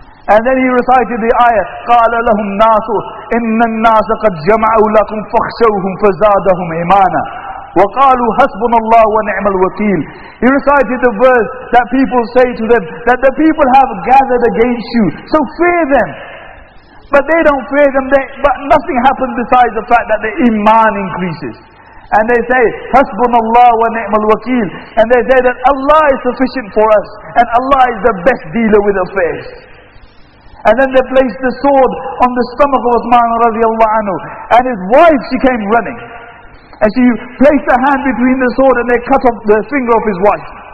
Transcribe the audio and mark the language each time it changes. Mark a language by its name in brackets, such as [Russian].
[English] And then he recited the ayah, [Arabic] "Qala lahum nasu, inna an-nasa qad jama'u lakum fakhshawhum fazadahum imana." وَقَالُوا حَسْبُنَ اللَّهُ وَنِعْمَ الْوَكِيلُ. [English] He recited the verse that people say to them, that the people have gathered against you, so fear them. But they don't fear them, but nothing happens besides the fact that the iman increases. And they say, [Arabic] "حَسْبُنَ اللَّهُ وَنِعْمَ الْوَكِيلُ." [English] And they say that Allah is sufficient for us, and Allah is the best dealer with affairs. And then they placed the sword on the stomach of Uthman radiallahu anhu, and his wife, she came running. And she placed her hand between the sword and they cut off the finger of his wife.